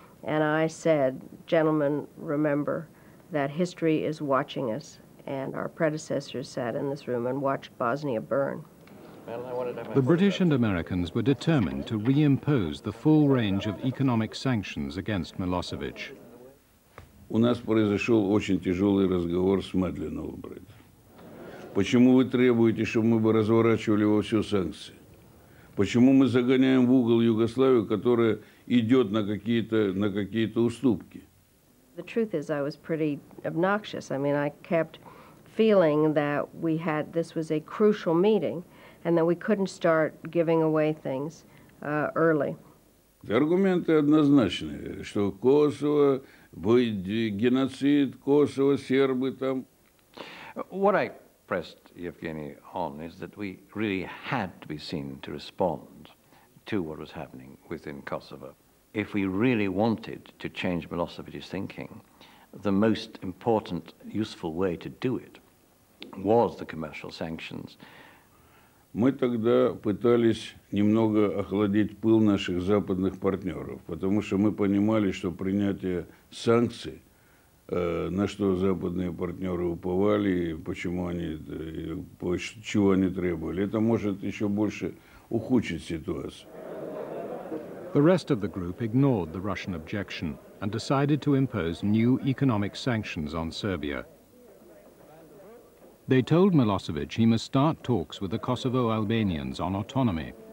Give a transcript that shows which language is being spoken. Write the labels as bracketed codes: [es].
[en] And I said, gentlemen, remember that history is watching us, and our predecessors sat in this room and watched Bosnia burn. The British and Americans were determined to reimpose the full range of economic sanctions against Milosevic. [ru] У нас произошел очень тяжелый разговор с Мадлен Олбрайт. Почему вы требуете, чтобы мы бы разворачивали во все санкции? Почему мы загоняем в угол Югославию, которая идет на какие-то уступки? [en] The truth is, I was pretty obnoxious. I mean, I kept feeling that we had, this was a crucial meeting, and that we couldn't start giving away things early. [ru] Аргументы однозначные, что Косово... Геноцид, Косово, Сербы там. [en] What I pressed Yevgeny on is that we really had to be seen to respond to what was happening within Kosovo. If we really wanted to change Milosevic's thinking, the most important, useful way to do it was the commercial sanctions. [ru] Мы тогда пытались немного охладить пыл наших западных партнеров, потому что мы понимали, что принятие санкций, на что западные партнеры уповали, чего они требовали, это может еще больше ухудшить ситуацию. [en] The rest of the group ignored the Russian objection and decided to impose new economic sanctions on Serbia. They told Milosevic he must start talks with the Kosovo Albanians on autonomy.